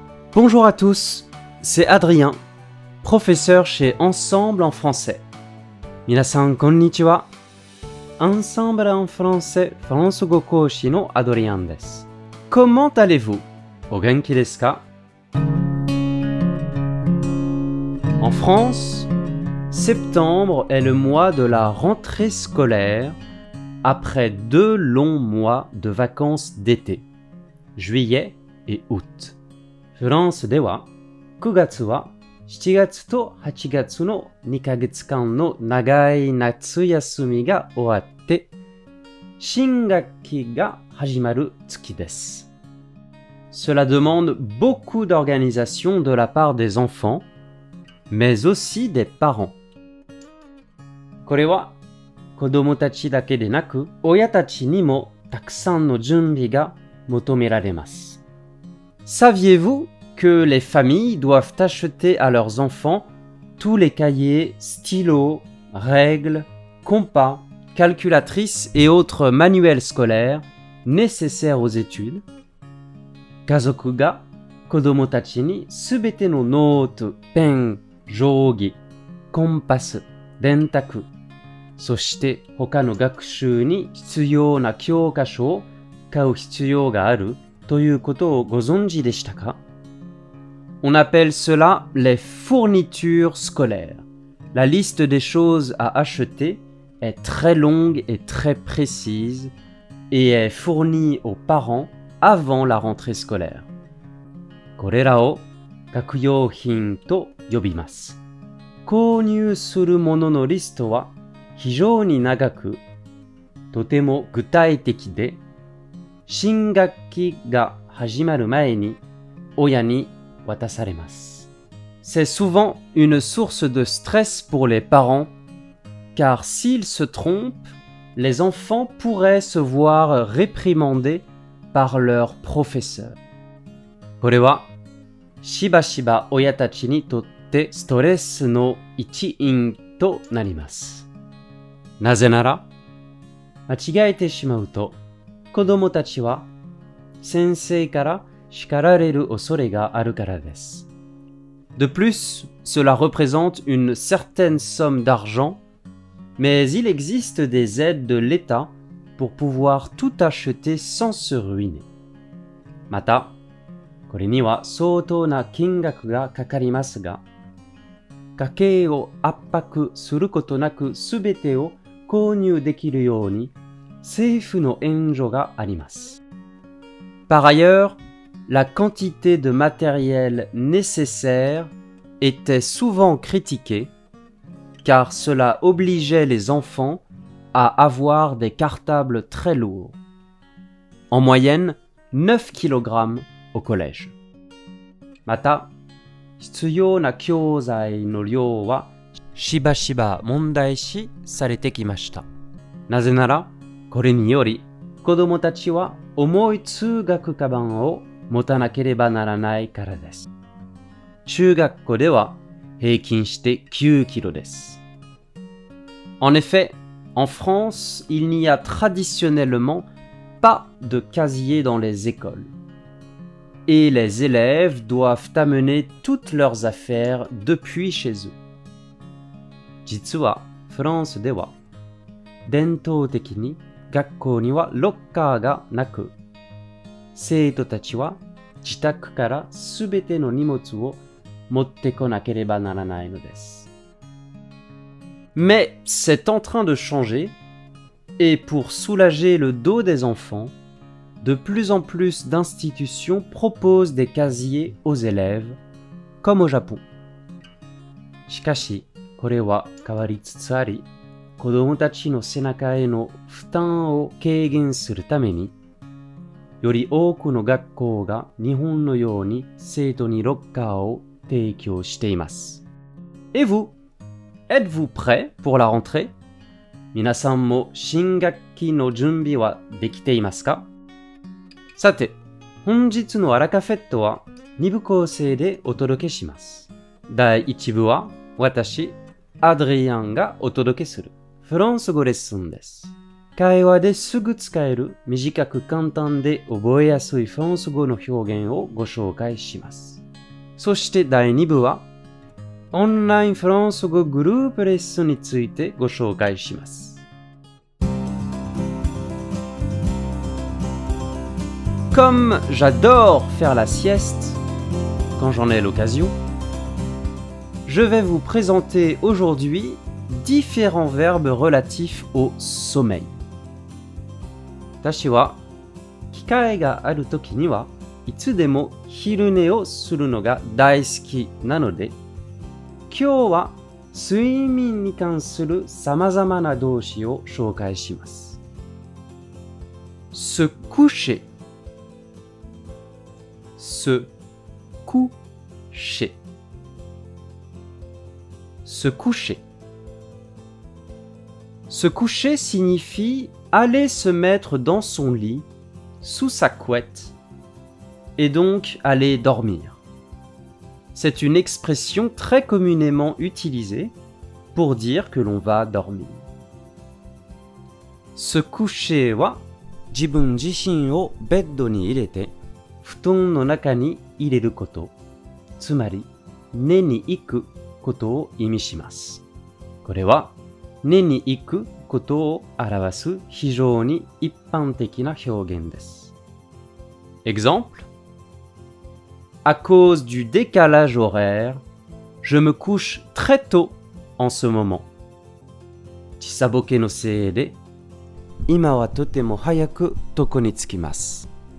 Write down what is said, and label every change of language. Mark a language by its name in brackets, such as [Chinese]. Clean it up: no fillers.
[French] Bonjour à tous, c'est Adrien, professeur chez Ensemble en français. [Japanese] 皆さんこんにちは。アンサンブルアンフランセフランス語講師のアドリアンです。 [French] Comment allez-vous? [Japanese] Au genki desu ka? [French] En France, septembre est le mois de la rentrée scolaire après deux longs mois de vacances d'été, juillet et août. [Japanese] フランスでは9月は7月と8月の2ヶ月間の長い夏休みが終わって新学期が始まる月です。 [French] Cela demande beaucoup d'organisation de la part des enfants, mais aussi des parents. [Japanese] これは子供たちだけでなく、親たちにもたくさんの準備が求められます。 [French] Saviez-vous que les familles doivent acheter à leurs enfants tous les cahiers, stylos, règles, compas, calculatrices et autres manuels scolaires nécessaires aux études ? [Japanese] 家族が子供たちにすべてのノート、ペン、定規、コンパス、電卓、そして他の学習に必要な教科書を買う必要があるということをご存知でしたか？ [French] On appelle cela les fournitures scolaires. La liste des choses à acheter est très longue et très précise et est fournie aux parents. Avant la rentrée scolaire. [Japanese] これらを学用品と呼びます。購入するもののリストは非常に長く、とても具体的で、新学期が始まる前に親に渡されます。 [French] C'est souvent une source de stress pour les parents, car s'ils se trompent, les enfants pourraient se voir réprimandés. Par leur professeur. [Japanese] これはしばしば親たちにとってストレスの一因となります。なぜなら、間違えてしまうと子供たちは先生から叱られる恐れがあるからです。 [French] De plus, cela représente une certaine somme d'argent, mais il existe des aides de l'État. Pour pouvoir tout acheter sans se ruiner. [Japanese] また、これには相当な金額がかかりますが、家計を圧迫することなく全てを購入できるように政府の援助があります。 [French] Par ailleurs, la quantité de matériel nécessaire était souvent critiquée, car cela obligeait les enfants. À avoir des cartables très lourds. En moyenne, 9 kg au collège. [Japanese] また、必要な教材の量はしばしば問題視されてきました。なぜなら、これにより子供たちは重い通学カバンを持たなければならないからです。中学校では平均して9キロです。 [French] En effet,En France, il n'y a traditionnellement pas de casier dans les écoles. Et les élèves doivent amener toutes leurs affaires depuis chez eux. [Japanese] 実は、フランスでは、伝統的に学校にはロッカーがなく、生徒たちは自宅からすべての荷物を持ってこなければならないのです。 [French] Mais c'est en train de changer, et pour soulager le dos des enfants, de plus en plus d'institutions proposent des casiers aux élèves, comme au Japon. [Japanese] しかし、これは変わりつつあり、子供たちの背中への負担を軽減するために、より多くの学校が日本のように生徒にロッカーを提供しています。 [French] Et vous? Êtes-vous prêt pour la rentrée? [Japanese] 皆さんも新学期の準備はできていますか? さて、本日のアラカフェットは2部構成でお届けします。第1部は私アドリアンがお届けするフランス語レッスンです。会話ですぐ使える短く簡単で覚えやすいフランス語の表現をご紹介します。そして第2部はオンラインフランス語グループレッスンについてご紹介します。 [French] Comme j'adore faire la sieste, quand j'en ai l'occasion, je vais vous présenter aujourd'hui différents verbes relatifs au sommeil. [Japanese] 私は機会がある時にはいつでも昼寝をするのが大好きなので、今日は睡眠に関する様々な動詞を紹介します。 [French] Se coucher. Se coucher. Se coucher. Se coucher signifie aller se mettre dans son lit, sous sa couette, et donc aller dormir. C'est une expression très communément utilisée pour dire que l'on va dormir. [Japanese] Se coucher は自分自身をベッドに入れて布団の中に入れること、つまり寝に行くことを意味します。これは寝に行くことを表す非常に一般的な表現です。 [French] Exemple: À cause du décalage horaire, je me couche très tôt en ce moment. [Japanese] 時差ボケのせいで、今はとても早く床に着きます。